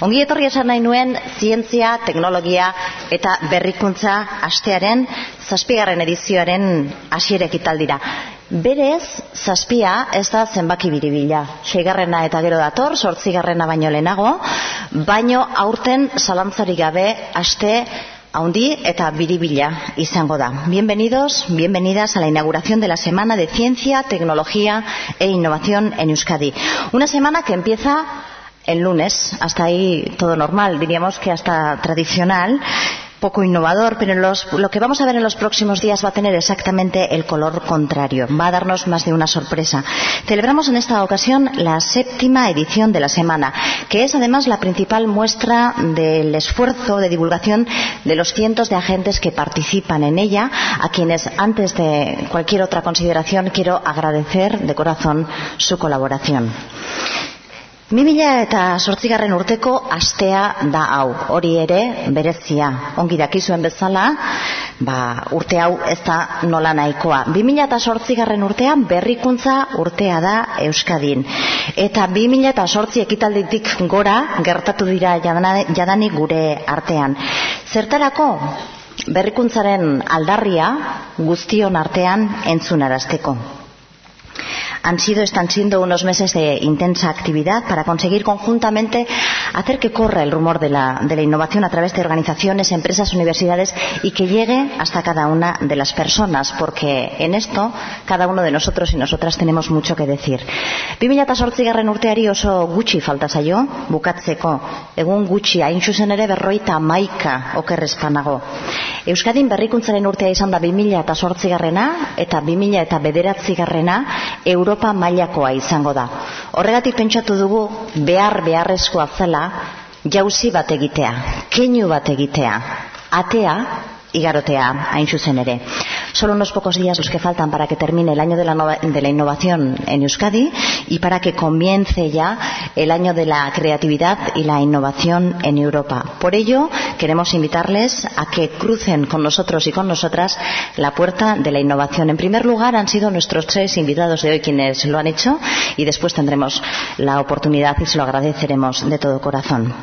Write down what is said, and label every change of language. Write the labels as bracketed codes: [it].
[eu] Ongi etorri esan nahi nuen zientzia, teknologia eta berrikuntza astearen 7. edizioaren hasiera ekitaldira. Berez, 7 ez da zenbaki biribila. 6. eta gero dator, 8. baino lehenago, baino aurten zalantzarik gabe aste haundi eta biribila izango da. [es] Bienvenidos, bienvenidas a la inauguración de la Semana de Ciencia, Tecnología e Innovación en Euskadi. Una semana que empieza el lunes, hasta ahí todo normal, diríamos que hasta tradicional, poco innovador, pero lo que vamos a ver en los próximos días va a tener exactamente el color contrario, va a darnos más de una sorpresa. Celebramos en esta ocasión la 7ª edición de la semana, que es además la principal muestra del esfuerzo de divulgación de los cientos de agentes que participan en ella, a quienes antes de cualquier otra consideración quiero agradecer de corazón su colaboración. [eu] 2008 urteko astea da hau, hori ere berezia. Ongi dakizuen bezala, urte hau ez da nola nahikoa. 2008 urtean berrikuntza urtea da Euskadin. Eta 2008 ekitalditik gora gertatu dira jadanik gure artean. Zertarako berrikuntzaren aldarria guztion artean entzunarazteko. [es] Han sido, están siendo unos meses de intensa actividad para conseguir conjuntamente hacer que corra el rumor de la innovación a través de organizaciones, empresas, universidades y que llegue hasta cada una de las personas, porque en esto cada uno de nosotros y nosotras tenemos mucho que decir. [eu] 2008 urteari oso gutxi falta zaio, bukatzeko, egun gutxi, hain zuzen ere 51 oker espanago. Euskadin berrikuntzaren urtea izan da 2008 eta 2009 Europa mailakoa izango da. Horregatik pentsatu dugu beharrezkoa zela jauzi bat egitea, keinu bat egitea, atea igarotea hain zuzen ere. [es] Solo unos pocos días los que faltan para que termine el año de la innovación en Euskadi y para que comience ya el año de la creatividad y la innovación en Europa. Por ello, queremos invitarles a que crucen con nosotros y con nosotras la puerta de la innovación. En primer lugar, han sido nuestros 3 invitados de hoy quienes lo han hecho y después tendremos la oportunidad y se lo agradeceremos de todo corazón.